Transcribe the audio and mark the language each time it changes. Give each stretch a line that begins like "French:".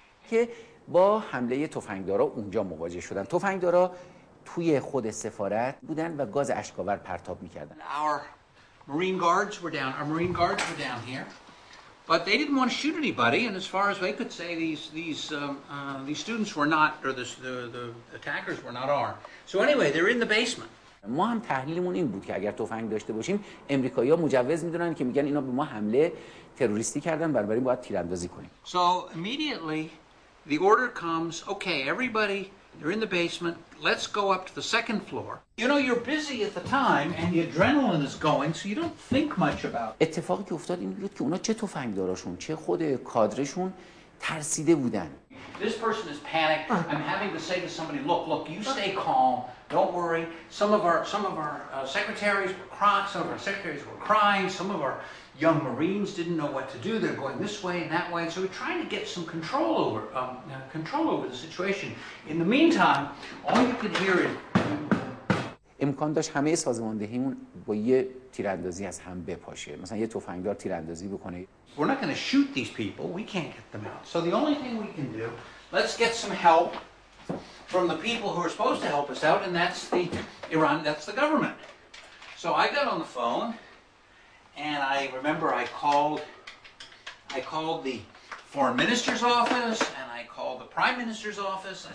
Persian: که با حمله تفنگدارا اونجا مواجه شدن. تفنگدارا توی خود سفارت بودن و گاز اشکاور پرتاب میکردن.
English: Our marine guards were down here. But they didn't want to shoot anybody, and as far as they could say, these students were not, or the attackers were not armed. So anyway, they're in the basement.
Persian: ما هم تحلیلمون این بود که اگر تفنگ داشته باشیم امریکایی‌ها مجوز میدونن که میگن اینا به ما حمله تروریستی کردن بنابراین باید تیراندازی کنیم.
English: So immediately the order comes, okay, everybody, you're in the basement, let's go up to the second floor. You know, you're busy at the time and the adrenaline is going, so you don't think much about it.
Persian: اتفاقی که افتاد این بود که اونا چه تفنگداراشون چه خود کادرشون ترسیده بودن.
English: This person is panicked. I'm having to say to somebody, look, you stay calm. Don't worry. Some of our secretaries were crying. Some of our young Marines didn't know what to do. They're going this way and that way. So we're trying to get some control over the situation. In the meantime, all you could hear is.
Persian: امکان داشت همه سازماندهیمون با یه تیراندازی از هم بپاشه. مثلا یه تفنگدار تیراندازی بکنه.
English: We're not going to shoot these people. We can't get them out. So the only thing we can do, let's get some help from the people who are supposed to help us out, and that's the Iran, that's the government. So I got on the phone, and I remember I called the foreign minister's office, and I called the prime minister's office.